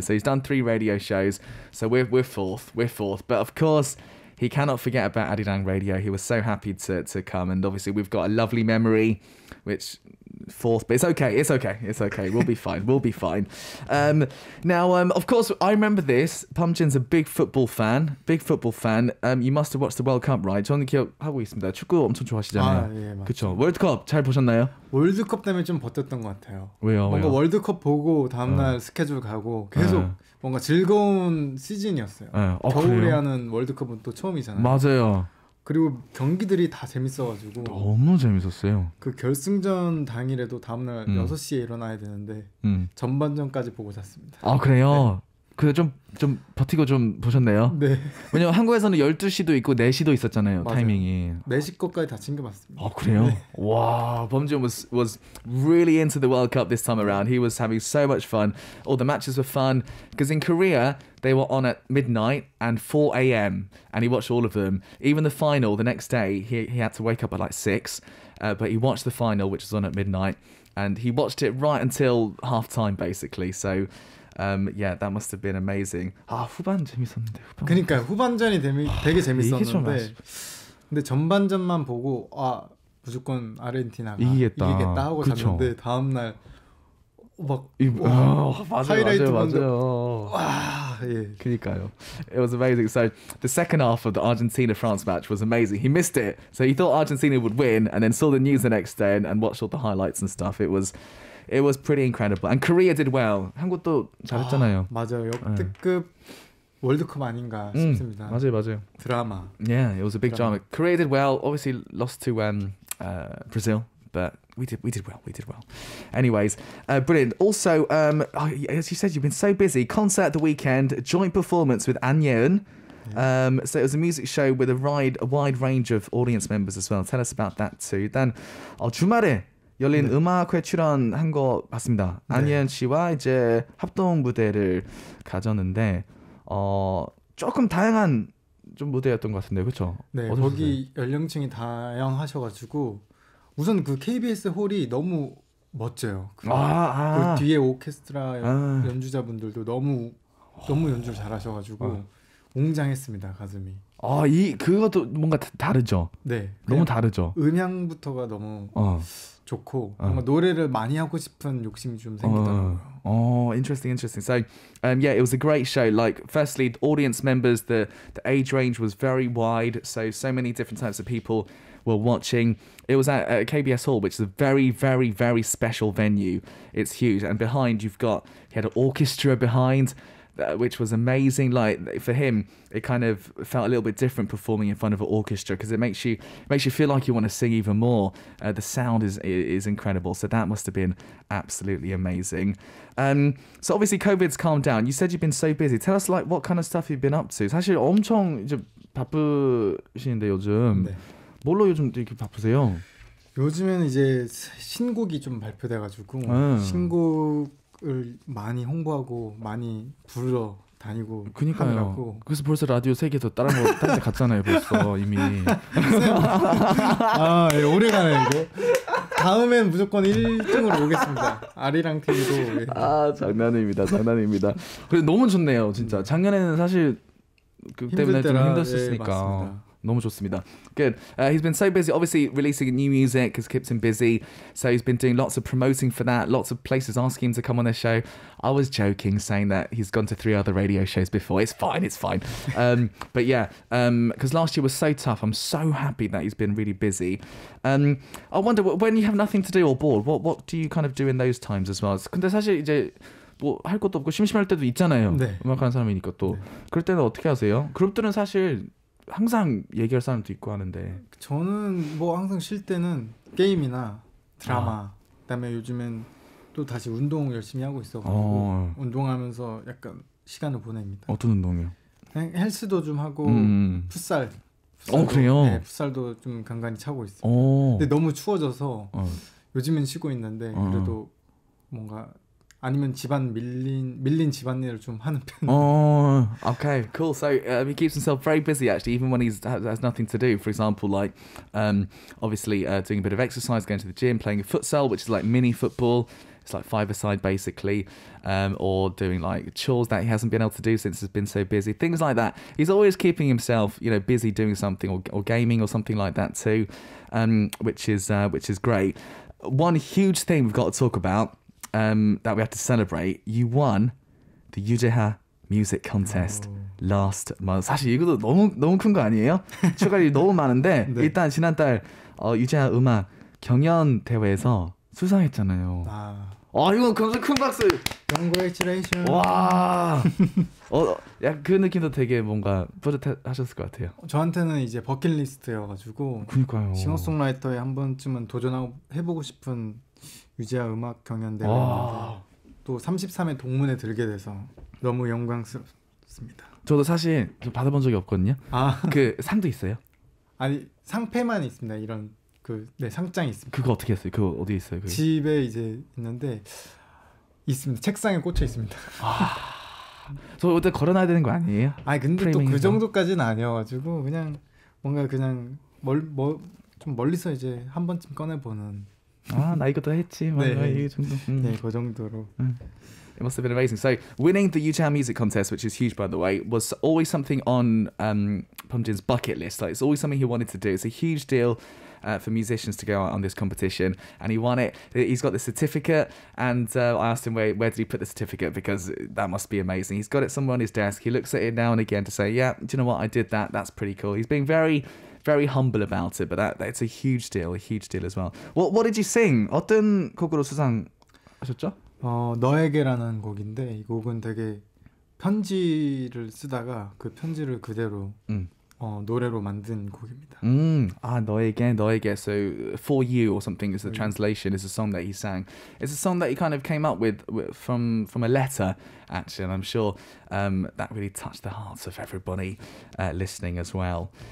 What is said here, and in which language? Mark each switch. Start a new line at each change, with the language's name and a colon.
English: So he's done 3 radio shows. So we're fourth. But of course, he cannot forget about Arirang Radio. He was so happy to come. And obviously, we've got a lovely memory, which fourth, but it's okay. We'll be fine. Of course, I remember this. Pumjin's a big football fan. You must have watched the World Cup, right?
Korean: 저는 기억하고 있습니다. 축구 엄청 좋아하시잖아요. 아, 예, 맞죠. 그렇죠. 월드컵 잘 보셨나요? 월드컵 때문에 좀 버텼던 것 같아요. 왜요? 뭔가 왜요? 월드컵 보고 다음날 스케줄 가고 계속 뭔가 즐거운 시즌이었어요. 겨울에 그래요? 하는 월드컵은 또 처음이잖아요. 맞아요. 그리고 경기들이 다 재밌어가지고 너무 재밌었어요. 그 결승전 당일에도 다음날 6시에 일어나야 되는데 전반전까지 보고 잤습니다. 아, 그래요? 네. 그래도 좀 버티고 좀 보셨네요? 네. 왜냐면 한국에서는 12시도 있고 4시도 있었잖아요. 맞아요. 타이밍이. 4시 것까지 다 챙겨봤습니다. 아, 그래요? 네.
English: 와, 범준 was really into the World Cup this time around. He was having so much fun. All the matches were fun. Because in Korea, they were on at midnight and 4 a.m. And he watched all of them. Even the final, the next day, he had to wake up at like 6. But he watched the final, which was on at midnight. And he watched it right until halftime, basically. So yeah, that must have been amazing.
Korean: 아, 후반 재밌었는데. 그러니까 후반전이 되게 재밌었는데. 근데 전반전만 보고 아 무조건 아르헨티나가 이기겠다 하고 그쵸. 잤는데 다음 날 막 하이라이트 맞아요. 예. 그러니까요.
English: It was amazing. So the second half of the Argentina France match was amazing. He missed it, so he thought Argentina would win, and then saw the news the next day and watched all the highlights and stuff. It was pretty incredible. And Korea did well.
Korean: 한국도 잘했잖아요. 아, 맞아요. 역대급 월드컵 아닌가 싶습니다. 맞아요. 드라마.
English: Yeah, it was a big drama. Korea did well. Obviously lost to Brazil, but we did well. Anyways, brilliant. Also, as you said, you've been so busy. Concert at the weekend, joint performance with An Yeon. So it was a music show with a wide range of audience members as well. Tell us about that too.
Korean: Then, 주말에 열린 음악회 출연한 거 봤습니다. 안예은 씨와 이제 합동 무대를 가졌는데 조금 다양한 좀 무대였던 것 같은데, 그렇죠? 네, 거기 연령층이 다양하셔가지고 우선 그 KBS 홀이 너무 멋져요. 그 뒤에 오케스트라 연주자분들도 너무 너무 연주를 잘하셔가지고 웅장했습니다. 가슴이. 아, 이 그것도 뭔가 다르죠. 네, 너무 다르죠. 음향부터가 너무 좋고 뭔가 노래를 많이 하고 싶은 욕심이 좀 생기더라고요.
English: Interesting, interesting. So, yeah, it was a great show. Like, firstly, the audience members, the age range was very wide. So many different types of people were watching. It was at KBS Hall, which is a very, very, very special venue. It's huge, and behind you've got you had an orchestra behind. Which was amazing. Like for him, it kind of felt a little bit different performing in front of an orchestra because it makes you feel like you want to sing even more. The sound is incredible. So that must have been absolutely amazing. So obviously COVID's calmed down. You said you've been so busy. Tell us like what kind of stuff you've been up to.
Korean: 사실 엄청 이제 바쁘신데 요즘 네. 뭘로 요즘 이렇게 바쁘세요? 요즘에는 이제 신곡이 좀 발표돼가지고 신곡. 을 많이 홍보하고 많이 부르러 다니고 그러니까요. 하느라고. 그래서 벌써 라디오 세 개 더 따라 뭐 다른 데 갔잖아요. 벌써 이미. 아, 예, 오래 가네 이거. 다음엔 무조건 1등으로 오겠습니다. 아리랑 TV도. 예. 아, 장난입니다. 장난입니다. 근데 너무 좋네요, 진짜. 작년에는 사실 그 때문에 좀 힘들었으니까. 예, 맞습니다. 너무 좋습니다.
English: Good. He's been so busy, obviously releasing new music has kept him busy. So he's been doing lots of promoting for that, lots of places asking him to come on their show. I was joking, saying that he's gone to three other radio shows before. It's fine. but yeah, because last year was so tough. I'm so happy that he's been really busy. I wonder, when you have nothing to do or bored, what do you kind of do in those times as well?
Korean: 근데 사실 이제 뭐 할 것도 없고 심심할 때도 있잖아요. 네. 음악하는 사람이니까 또. 네. 그럴 때는 어떻게 하세요? 그룹들은 사실 항상 얘기할 사람도 있고 하는데 저는 뭐 항상 쉴 때는 게임이나 드라마 그다음에 요즘엔 또 다시 운동 열심히 하고 있어가지고 운동하면서 약간 시간을 보냅니다. 어떤 운동이요? 그냥 헬스도 좀 하고 풋살. 그래요? 네, 풋살도 좀 간간히 차고 있어요. 근데 너무 추워져서 요즘엔 쉬고 있는데 그래도 뭔가 아니면 집안 밀린 집안일을 좀 하는 편.
English: Okay, cool. So he keeps himself very busy actually, even when he has nothing to do. For example, like obviously doing a bit of exercise, going to the gym, playing futsal, which is like mini football. It's like five-a-side basically, or doing like chores that he hasn't been able to do since he's been so busy. Things like that. He's always keeping himself, you know, busy doing something or gaming or something like that too, which is great. One huge thing we've got to talk about. That we have to celebrate. You won the Yujeha Music Contest last month.
Korean: 사실 이것도 너무 큰 거 아니에요? 축하할 일이 너무 많은데 네. 일단 지난달 Yujeha 음악 경연 대회에서 수상했잖아요. 이건 굉장히 큰 박수.
English: Congratulations.
Korean: 와. 약간 그 느낌도 되게 뭔가 뿌듯하셨을 것 같아요. 저한테는 이제 버킷리스트여가지고. 그러니까요. 싱어송라이터에 한 번쯤은 도전하고 해보고 싶은. 유재하 음악 경연 대회 또 33회 동문에 들게 돼서 너무 영광스럽습니다. 저도 사실 받아본 적이 없거든요. 아. 그 상도 있어요? 아니 상패만 있습니다. 이런 그 네 상장이 있습니다. 그거 어떻게 했어요? 그거 어디 있어요? 그게? 집에 이제 있는데 있습니다. 책상에 꽂혀 있습니다. 저 어때 걸어놔야 되는 거 아니에요? 아니 근데 또 그 정도까지는 아니어가지고 그냥 뭔가 그냥 좀 멀리서 이제 한 번쯤 꺼내보는. 아, 나 이것도 했지. 네, 네, 그 정도로.
English: It must have been amazing. So, winning the Yujeha Music Contest, which is huge, by the way, was always something on Pumjin's bucket list. Like, it's always something he wanted to do. It's a huge deal for musicians to go out on this competition. And he won it. He's got the certificate. And I asked him, where did he put the certificate? Because that must be amazing. He's got it somewhere on his desk. He looks at it now and again to say, yeah, do you know what? I did that. That's pretty cool. He's being very... very humble about it, but that it's a huge deal as well. What did you sing?
Korean: 어떤 곡으로 수상하셨죠? 너에게라는 곡인데 이 곡은 되게 편지를 쓰다가 그 편지를 그대로 노래로 만든 곡입니다. 너에게.
English: So for you or something is the translation. It's a song that he sang. It's a song that he kind of came up with from a letter actually, and I'm sure that really touched the hearts of everybody listening as well.